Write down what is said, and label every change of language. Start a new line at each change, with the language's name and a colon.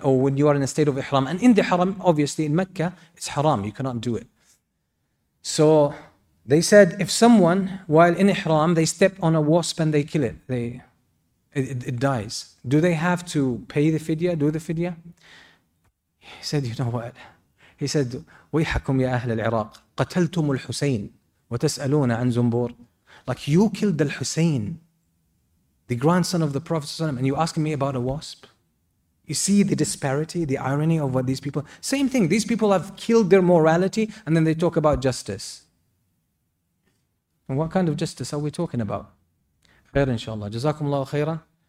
English: Or when you are in a state of ihram. And in the haram, obviously in Mecca, it's haram, you cannot do it. So they said, if someone, while in ihram, they step on a wasp and they kill it, it dies. Do they have to pay the fidya, do the fidya? He said, you know what? He said,
Arabic: وَيْحَكُمْ يَا أَهْلَ الْعِرَاقِ قَتَلْتُمُ الْحُسَيْنِ وَتَسْأَلُونَ عَنْ زُنْبُورِ.
English: Like, you killed the Hussein, the grandson of the Prophet ﷺ, and you're asking me about a wasp? You see the disparity, the irony of what these people... Same thing, these people have killed their morality and then they talk about justice. And what kind of justice are we talking about? Khair, inshallah. Jazakum Allah khairan.